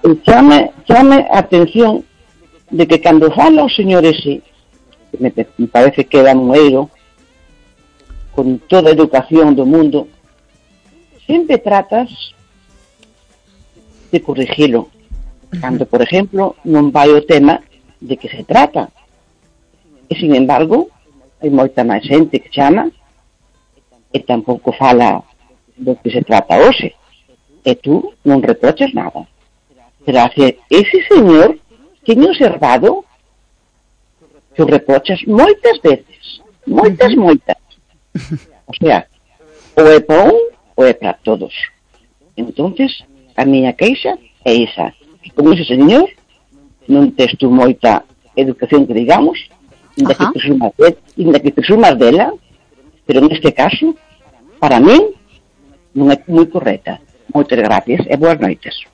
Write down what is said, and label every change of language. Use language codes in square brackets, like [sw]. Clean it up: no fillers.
[es] Llame atención de que cuando [gl] fala o [es] señor ese, me parece que era un héroe, con toda [gl] a educación do mundo, [es] siempre tratas de corregirlo. Cuando, por ejemplo, [gl] non vai o tema de que se trata. E, sin embargo, hai moita máis xente que chama e tampouco fala do que se trata hoxe. E tú non reproches nada. [es] Pero hace ese señor que me he observado que reproches [gl] moitas veces, moitas. O sea, o é para un ou é para todos. Entonces, a miña queixa é esa. Como ese señor, non tens tú moita educación que digamos, inda que presumas dela, pero neste caso, para mí, non é moi correta. Moitas gracias e boas noites.